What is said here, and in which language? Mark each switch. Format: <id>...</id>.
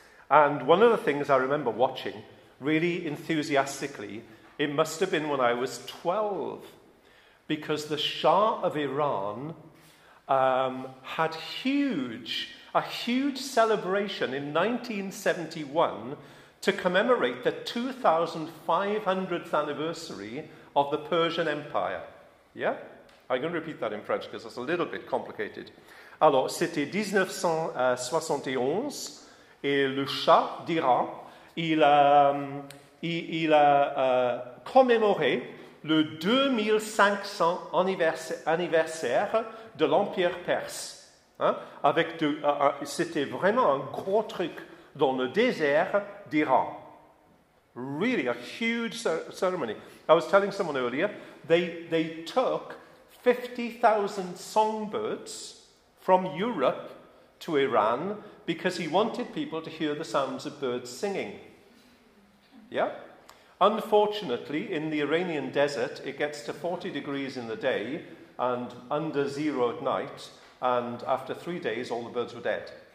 <en>And one of the things I remember watching really enthusiastically, it must have been when I was 12, because the Shah of Iran had a huge celebration in 1971 to commemorate the 2,500th anniversary of the Persian Empire. Yeah? I'm going to repeat that in French because it's a little bit complicated.</en> <fr>Alors, c'était 1971 et le Shah d'Iran, il a commémoré le 2500 anniversaire de l'Empire perse. Hein, c'était vraiment un gros truc dans le désert d'Iran.</fr> <en>Really, a huge ceremony. I was telling someone earlier, they took 50,000 songbirds from Europe to Iran because he wanted people to hear the sounds of birds singing. Yeah? Unfortunately, in the Iranian desert, it gets to 40 degrees in the day and under zero at night, and after 3 days, all the birds were dead.</en>